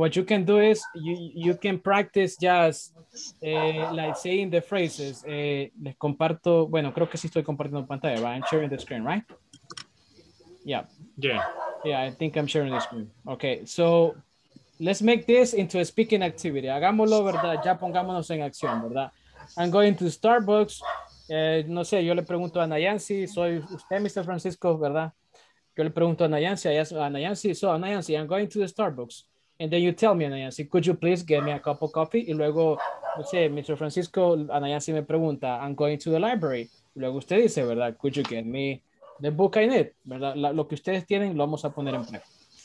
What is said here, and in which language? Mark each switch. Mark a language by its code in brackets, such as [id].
[en] What you can do is you can practice just like saying the phrases. [es] Les comparto, bueno, creo que sí estoy compartiendo pantalla, right? [en] I'm sharing the screen, right? Yeah. Yeah. Yeah, I think I'm sharing the screen. Okay, so let's make this into a speaking activity. [es] Hagámoslo, ¿verdad? Ya pongámonos en acción, ¿verdad? [en] I'm going to Starbucks. [es] No sé, yo le pregunto a Nayansi, soy usted, Mr. Francisco, ¿verdad? Yo le pregunto a Nayansi, Nayansi, [en] I'm going to the Starbucks. And then you tell me, Nayansi, could you please get me a cup of coffee? [es] Y luego, no sé, [en] Mr. [es] Francisco, Nayansi me pregunta, [en] I'm going to the library. [es] Y luego usted dice, ¿verdad? [en] Could you get me the book I need? [es] ¿Verdad? Lo que ustedes tienen lo vamos a poner en práctica.